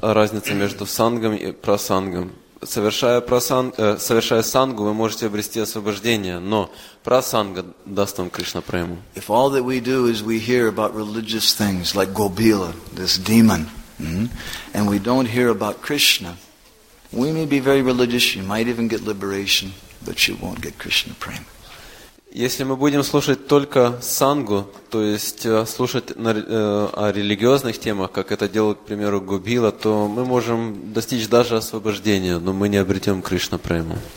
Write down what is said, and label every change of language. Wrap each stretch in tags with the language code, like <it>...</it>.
<ru>Разница между сангом и прасангом. Совершая сангу, вы можете обрести освобождение, но прасанга даст вам Кришна прему.</ru> <en>If all that we do is we hear about religious things like Gopila, this demon, and we don't hear about Krishna, we may be very religious. You might even get liberation. But you won't get Krishna prema.</en> <ru>Если мы будем слушать только сангу, то есть слушать о религиозных темах, как это делал, к примеру, Гобила, то мы можем достичь даже освобождения, но мы не обретем Кришна прему.</ru>